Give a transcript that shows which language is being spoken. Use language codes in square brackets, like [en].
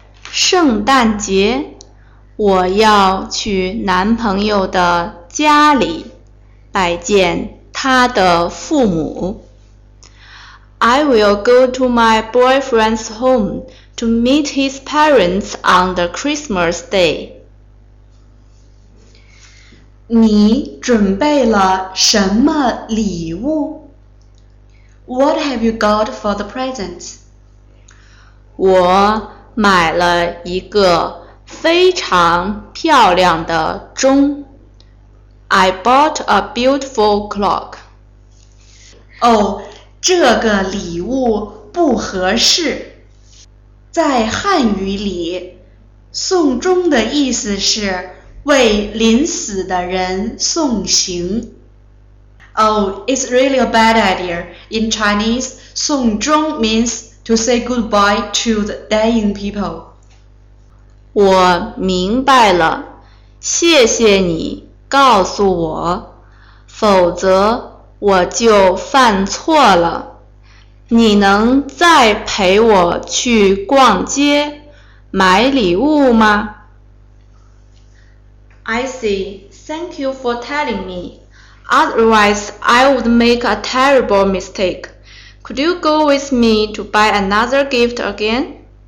[zh] 圣诞节，我要去男朋友的家里拜见他的父母。 [en] I will go to my boyfriend's home to meet his parents on the Christmas day. [zh] 你准备了什么礼物？ [en] What have you got for the presents? [zh] 我买了一个非常漂亮的钟。 [en] I bought a beautiful clock. [zh] 哦，这个礼物不合适。在汉语里，送钟的意思是为临死的人送行。 [en] Oh, it's really a bad idea. In Chinese, 送钟 means to say goodbye to the dying people. [zh] 我明白了，谢谢你告诉我，否则我就犯错了。你能再陪我去逛街买礼物吗？ [en] I see. Thank you for telling me. Otherwise, I would make a terrible mistake. Could you go with me to buy another gift again?